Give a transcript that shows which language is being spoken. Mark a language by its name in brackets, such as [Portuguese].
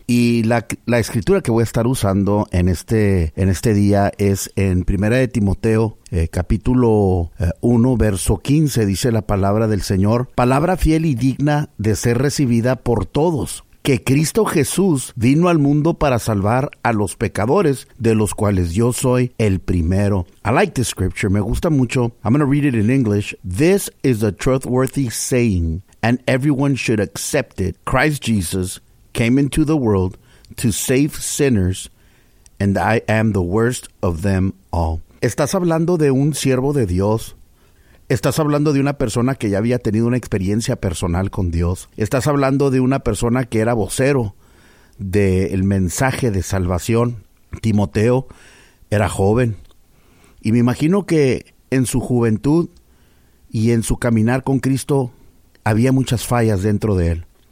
[Spanish] Y la escritura que voy a estar usando en este día es en 1 de Timoteo capítulo 1 verso 15. Dice la palabra del Señor, palabra fiel y digna de ser recibida por todos, que Cristo Jesús vino al mundo para salvar a los pecadores, de los cuales yo soy el primero. [English] I like this scripture. [Spanish] Me gusta mucho. [English] I'm going to read it in English. This is a trustworthy saying, and everyone should accept it. Christ Jesus came into the world to save sinners, and I am the worst of them all. [Spanish] Estás hablando de un siervo de Dios. Estás hablando de una persona que ya había tenido una experiencia personal con Dios. Estás hablando de una persona que era vocero del mensaje de salvación. Timoteo era joven. Y me imagino que en su juventud y en su caminar con Cristo había muchas fallas dentro de él.